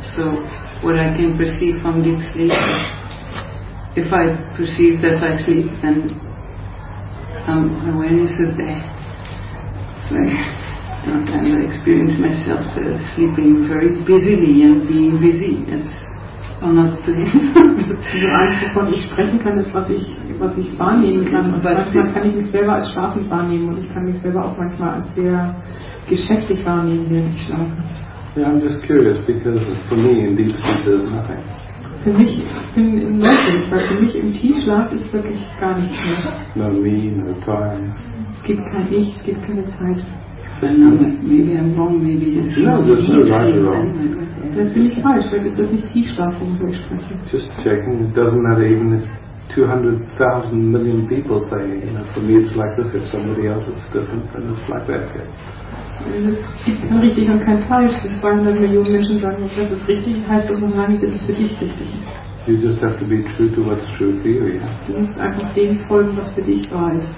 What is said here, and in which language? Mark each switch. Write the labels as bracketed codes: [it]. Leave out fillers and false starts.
[en] So what I can perceive from deep sleep, if I perceive that I sleep, then some awareness is there. So I don't kind of experience myself sleeping very busily and being busy. It's [de] Das Einzige, von dem ich sprechen kann, ist, was ich wahrnehmen kann. Und manchmal kann ich mich selber als schlafend wahrnehmen und ich kann mich selber auch manchmal als sehr geschäftig wahrnehmen, während ich schlafe. [en] Yeah, I'm just curious because for me in deep sleep there's nothing. [de] Für mich, ich bin in Neugierig, weil für mich im Tiefschlaf ist wirklich gar nichts mehr. [en] No me, no time. [de] Es gibt kein Ich, es gibt keine Zeit. [en] Maybe I'm wrong, maybe it's [de] Dann bin ich falsch, weil es ist nicht Tiefschlaf, worüber ich spreche. [en] Just checking, it doesn't matter even if 200,000 million people say, you know, for me it's like this, if somebody else it's different, then it's like that. Okay. [de] Es gibt kein richtig und kein falsch, wenn 200 Millionen Menschen sagen, das ist richtig, heißt das noch lange, dass es für dich richtig ist. [en] You just have to be true to what's true for you, yeah. [de] Du musst einfach dem folgen, was für dich wahr ist.